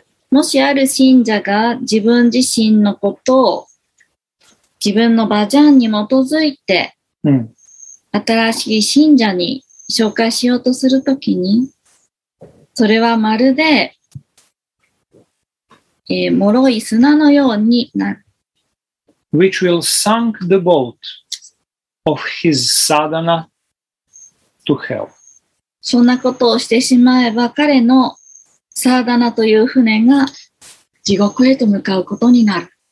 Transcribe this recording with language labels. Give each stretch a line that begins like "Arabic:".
Japanese: もしある信者が自分自身のことを自分のバジャンに基づいて、うん、新しい信者に紹介しようとするときに、それはまるで、脆い砂のようになる。
English: Which will sunk the boat of his sadhana to hell.
Japanese: そんなことをしてしまえば、彼のサーダナという船が地獄へと向かうことになる。